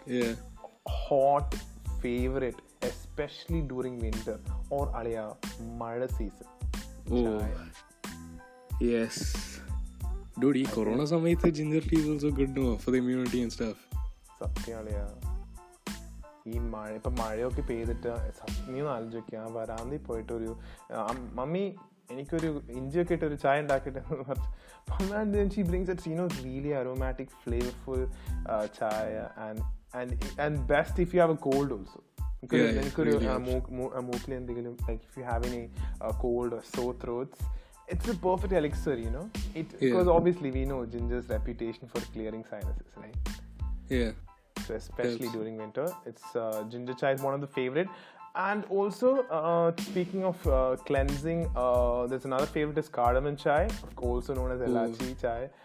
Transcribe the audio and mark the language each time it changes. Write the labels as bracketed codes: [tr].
[en] yeah. hot favorite, especially during winter or [ml] alia mala [en] season. Oh, yes, dude. Corona [ml] samayathe [en] ginger tea is also good, no, for the immunity and stuff. [ml] Sathyam alia. ഈ മഴ ഇപ്പം മഴയൊക്കെ പെയ്തിട്ട് നീ ആലോചിക്കുക, വരാന്തി പോയിട്ട് ഒരു mummy എനിക്കൊരു ഇഞ്ചിയൊക്കെ ഇട്ട് ഒരു ചായ ഉണ്ടാക്കിയിട്ട് [en] She brings it see no really aromatic flavourful chai and best if you have a cold also. [ml] എനിക്കൊരു മൂക്കിൽ എന്തെങ്കിലും [en] Like if you have any cold sore throats it's a perfect elixir, you know. It because yeah. Obviously we know ginger's reputation for clearing sinuses, right? Yeah, so especially yes. During winter it's ginger chai is one of the favorite. And also speaking of cleansing, there's another favorite is cardamom chai, also known as elachi chai.